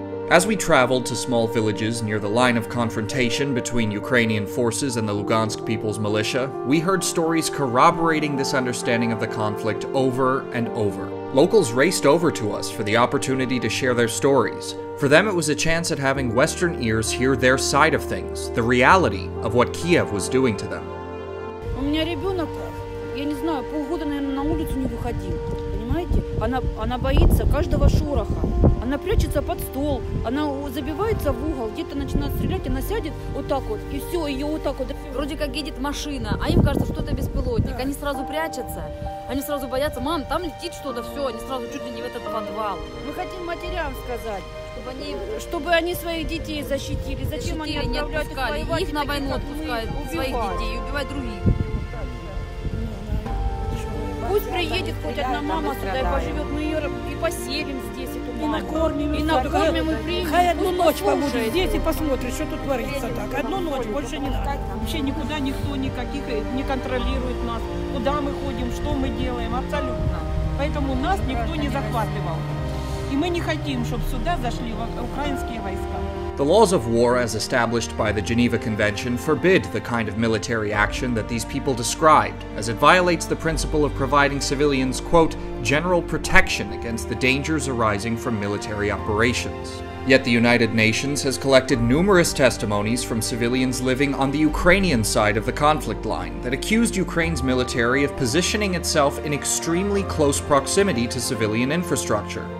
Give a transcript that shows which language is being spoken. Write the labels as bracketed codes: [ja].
[en] As we traveled to small villages near the line of confrontation between Ukrainian forces and the Lugansk People's Militia, we heard stories corroborating this understanding of the conflict over and over. Locals raced over to us for the opportunity to share their stories. For them, it was a chance at having Western ears hear their side of things, the reality of what Kiev was doing to them. [ru] У меня ребенок, я не знаю, полгода, наверное, на улицу не выходил. Понимаете? Она боится каждого шороха. Она прячется под стол, она забивается в угол, где-то начинает стрелять, она сядет вот так вот, и все, ее вот так вот. Вроде как едет машина, а им кажется, что это беспилотник, они сразу прячутся, они сразу боятся, мам, там летит что-то, все, они сразу чуть ли не в этот подвал. Мы хотим матерям сказать, чтобы они своих детей защитили. Зачем защитили, они отправляют их воевать? Их на войну отпускают, своих детей, убивают других. Пусть приедет хоть одна мама сюда и поживет, мы ее и поселим здесь. И накормим, и приедем. Хай одну ночь побудет здесь и посмотрит, что тут творится. Так, одну ночь, больше не надо. Вообще никуда никто никаких не контролирует нас, куда мы ходим, что мы делаем, абсолютно. Поэтому нас никто не захватывал. И мы не хотим, чтобы сюда зашли украинские войска. [en] The laws of war, as established by the Geneva Convention, forbid the kind of military action that these people described, as it violates the principle of providing civilians, quote, general protection against the dangers arising from military operations. Yet the United Nations has collected numerous testimonies from civilians living on the Ukrainian side of the conflict line that accused Ukraine's military of positioning itself in extremely close proximity to civilian infrastructure.